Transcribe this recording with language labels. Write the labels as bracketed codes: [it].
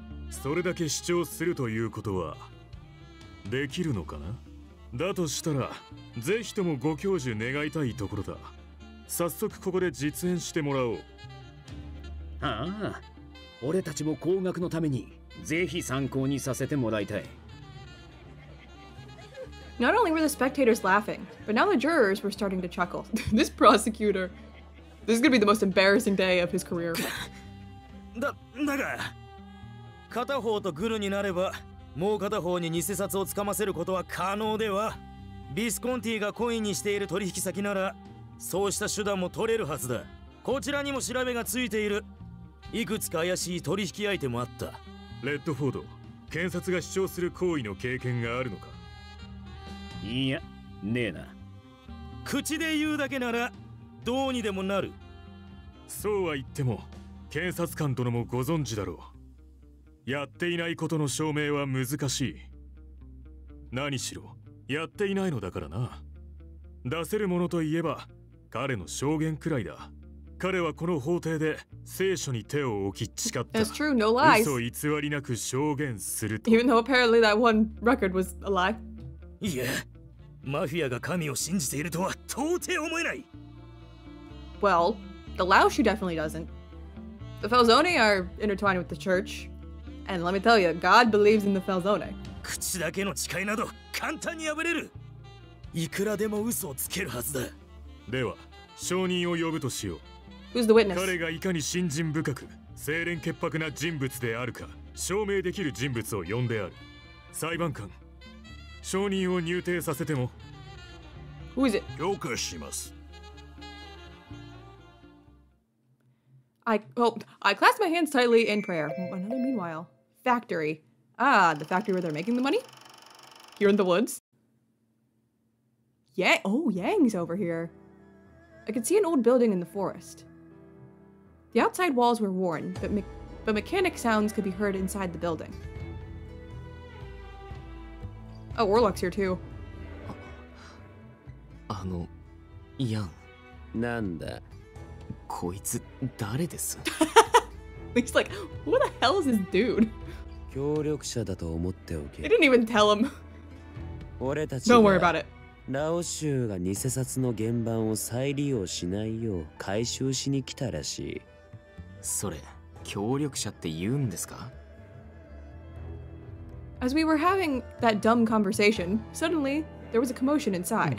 [ja] それだけ主張するということはできるのかな？だとしたら、ぜひともご教授願いたいところだ。早速ここで実演してもらおう。ああ、俺たちも高額のためにぜひ参考にさせてもらいたい。 [en] Not only were the spectators laughing, but now the jurors were starting to chuckle. This prosecutor, this is gonna be the most embarrassing day of his career. [ja] だが。片方とグルになれば、もう片方に偽札をつかませることは可能では。ビスコンティがコインにしている取引先なら、そうした手段も取れるはずだ。こちらにも調べがついている。いくつか怪しい取引相手もあった。レッドフォード、検察が主張する行為の経験があるのか？いや、ねえな。口で言うだけなら、どうにでもなる。そうは言っても、検察官殿もご存知だろう。やっていないことの証明は難しい。何しろやっていないのだからな。出せるものといえば彼の証言くらいだ。彼はこの法廷で聖書に手を置き誓った。 [en] That's true, no lies. [ja] 嘘偽りなく証言すると。 [en] Even though apparently that one record was a lie. [ja] いや、マフィアが神を信じているとは到底思えない。 [en] Well, the Laoshu definitely doesn't. The Felzone are intertwined with the church. And let me tell you, God believes in the Felzone. [ja] 口だけの誓いなど簡単に破れる。いくらでも嘘をつけるはずだ。では、証人を呼ぶとしよう。 [en] Who's the witness? [ja] 彼がいかに信心深く、清廉潔白な人物であるか、証明できる人物を呼んである。裁判官、証人を入廷させても。 [en] Who is it? [ja] 了解します。 [en] I clasp my hands tightly in prayer. Another meanwhile. Factory. Ah, the factory where they're making the money? Here in the woods? Yang's over here. I could see an old building in the forest. The outside walls were worn, but mechanic sounds could be heard inside the building. Oh, Warlock's here too. Yang. [ja] Nanda. こいつ誰です [en] He's like, what the hell is this dude? [ja] 協力者だと思っておけ [en] He didn't even tell him. [ja] 俺たち [en] Don't worry about it. [ja] ラオ州が偽札の原版を再利用しないよう回収しに来たらしい。それ、協力者って言うんですか [en] As we were having that dumb conversation, suddenly there was a commotion inside.